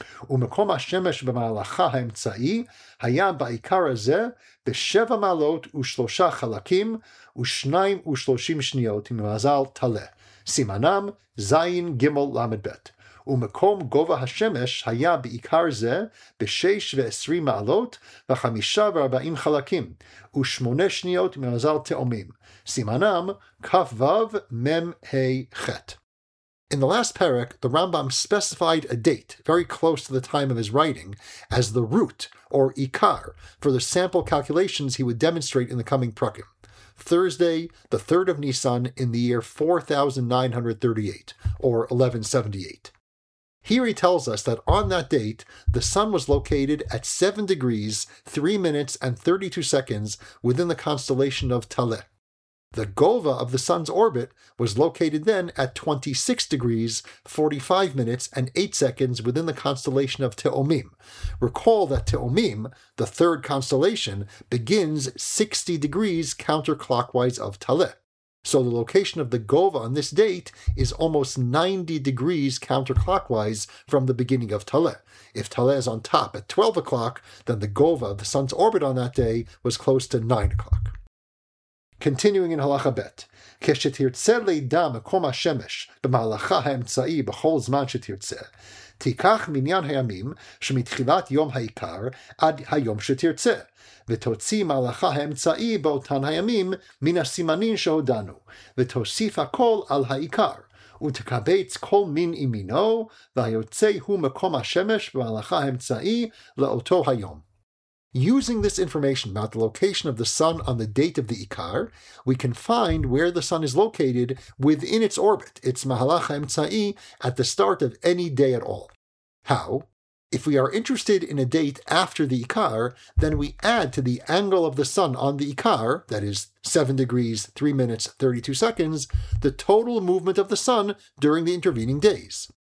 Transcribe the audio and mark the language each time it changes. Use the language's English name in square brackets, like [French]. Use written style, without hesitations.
[Hebrew] ומקום השמש במהלכה האמצעי היה בעיקר הזה בשבע מעלות ושלושה חלקים ושניים ושלושים שניות ממזל תלה, סימנם זין גימל למד בית. ומקום גובה השמש היה בעיקר זה בשש ועשרים מעלות וחמישה וארבעים חלקים ושמונה שניות ממזל תאומים, סימנם כף וו מם היי חט. [English] In the last perek, the Rambam specified a date, very close to the time of his writing, as the root, or ikar, for the sample calculations he would demonstrate in the coming prakim. Thursday, the 3rd of Nisan, in the year 4938, or 1178. Here he tells us that on that date, the sun was located at 7 degrees, 3 minutes, and 32 seconds within the constellation of Taleh. The Gova of the sun's orbit was located then at 26 degrees, 45 minutes, and 8 seconds within the constellation of Te'omim. Recall that Te'omim, the third constellation, begins 60 degrees counterclockwise of Taleh. So the location of the Gova on this date is almost 90 degrees counterclockwise from the beginning of Taleh. If Taleh is on top at 12 o'clock, then the Gova of the sun's orbit on that day was close to 9 o'clock. Continuing in Halacha Bet, [Hebrew] כשתרצה לידע מקום השמש במהלכה האמצעי בכל זמן שתרצה, תיקח מניין הימים שמתחילת יום העיקר עד היום שתרצה, ותוציא מהלכה האמצעי באותן הימים מן הסימנים שהודענו, ותוסיף הכל על העיקר, ותקבץ כל מין אימינו, והיוצא הוא מקום השמש במהלכה האמצעי לאותו היום. [English] Using this information about the location of the sun on the date of the Ikar, we can find where the sun is located within its orbit, its Mahalach HaEmtzai, at the start of any day at all. How? If we are interested in a date after the Ikar, then we add to the angle of the sun on the Ikar, that is 7 degrees, 3 minutes, 32 seconds, the total movement of the sun during the intervening days.